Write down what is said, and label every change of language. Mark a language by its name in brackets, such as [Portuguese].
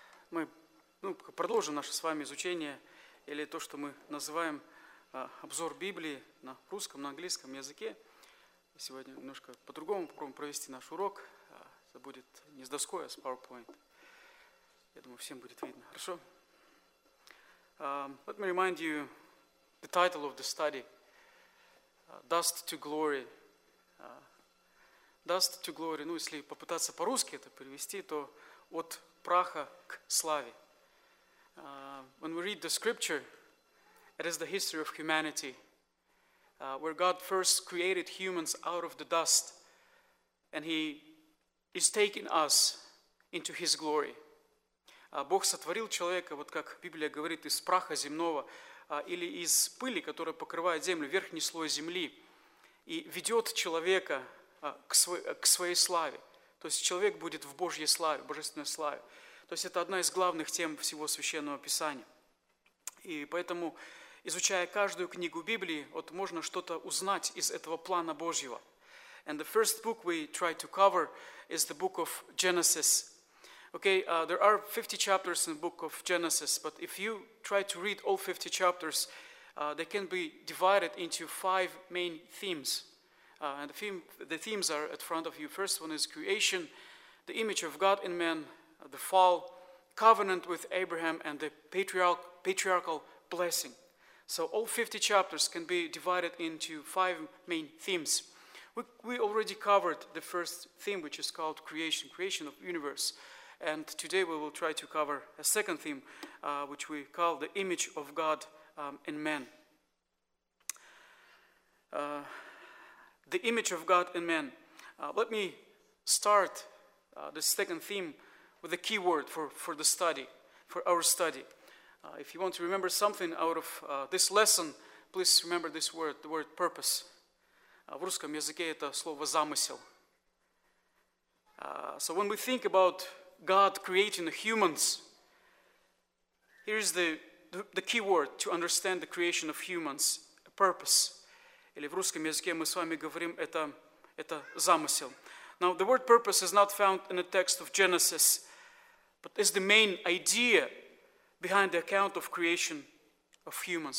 [Russian] Мы продолжим наше с вами изучение, или то, что мы называем обзор Библии на русском, на английском языке. Сегодня немножко по-другому попробуем провести наш урок. Это будет не с доской, а с PowerPoint. Я думаю, всем будет видно. Хорошо? [English] Let me remind you the title of the study. Dust to Glory. Dust to Glory. [Russian] Ну, если попытаться по-русски это перевести, то от праха к славе. [English] When we read the scripture, it is the history of humanity, where God first created humans out of the dust, and He is taking us into His glory. [Russian] Бог сотворил человека, вот как Библия говорит, из праха земного, или из пыли, которая покрывает землю, верхний слой земли, и ведет человека к своей славе. То есть человек будет в Божьей славе, в божественной славе. То есть это одна из главных тем всего Священного Писания. И поэтому, изучая каждую книгу Библии, вот можно что-то узнать из этого плана Божьего. [English] And the first book we try to cover is the book of Genesis. Okay, there are 50 chapters in the book of Genesis, but if you try to read all 50 chapters, they can be divided into five main themes. And the themes are at front of you. First one is creation, the image of God in man, the fall, covenant with Abraham, and the patriarchal blessing. So all 50 chapters can be divided into five main themes. We already covered the first theme, which is called creation, creation of universe. And today we will try to cover a second theme, which we call the image of God in man. The image of God in man. Let me start the second theme with a key word for the study, for our study. If you want to remember something out of this lesson, please remember this word, the word purpose. [Russian] В русском языке это слово замысел. [English] So when we think about God creating the humans, here is the key word to understand the creation of humans, a purpose. [Russian] Или в русском языке мы с вами говорим это замысел. [English] Now the word purpose is not found in the text of Genesis, but is the main idea behind the account of creation of humans.